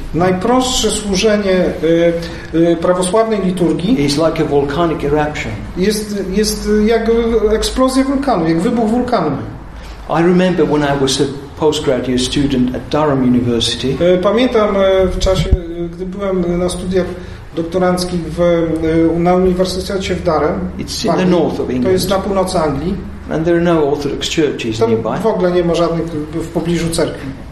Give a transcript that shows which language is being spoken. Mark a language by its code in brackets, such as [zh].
[pl] najprostsze służenie prawosławnej liturgii, [en] is like a volcanic eruption. [pl] Jest jak eksplozja wulkanu, jak wybuch wulkanu. [en] I remember when I was a postgraduate student at Durham University. [pl] Pamiętam w czasie, gdy byłem na studiach doktoranckich na Uniwersytecie w Durham. [en] It's in the north of England. [pl] To jest na północy Anglii. [en] And there are no Orthodox churches nearby. [pl] W ogóle nie ma żadnych w pobliżu cerkwi.